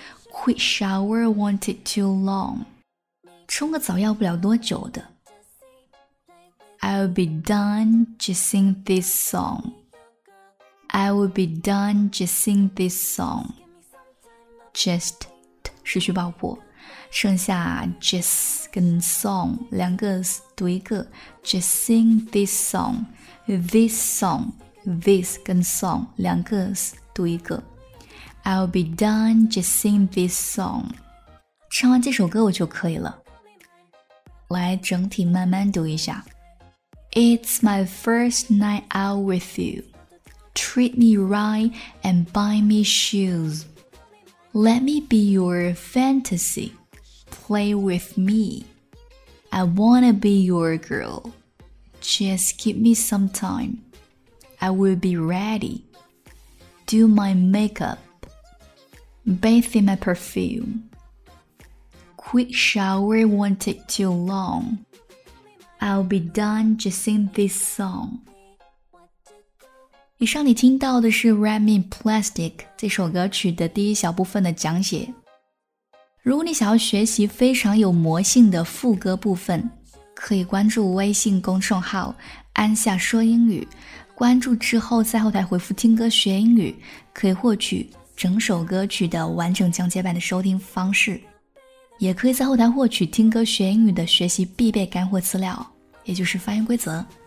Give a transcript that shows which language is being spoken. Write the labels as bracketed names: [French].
[English] Quick shower won't take too long. [Chinese] 冲个澡要不了多久的。 [English] I'll be done just sing this song. I will be done just sing this song. [Chinese] Just 失去爆破。剩下 just 跟 song 两个读一个。 [English] Just sing this song. This song. [Chinese] This 跟 song 两个读一个。 [English] I'll be done just sing this song. [Chinese] 唱完这首歌我就可以了。来整体慢慢读一下。 [English] It's my first night out with you. Treat me right and buy me shoes. Let me be your fantasy. Play with me. I wanna be your girl. Just give me some time. I will be ready. Do my makeup. Bathe in my perfume. Quick shower won't take too long. I'll be done just sing this song. [Chinese] 以上你听到的是 Wrap Me in Plastic 这首歌曲的第一小部分的讲解。如果你想要学习非常有魔性的副歌部分，可以关注微信公众号安夏说英语，关注之后在后台回复听歌学英语，可以获取整首歌曲的完整讲解版的收听方式，也可以在后台获取听歌学英语的学习必备干货资料，也就是发音规则。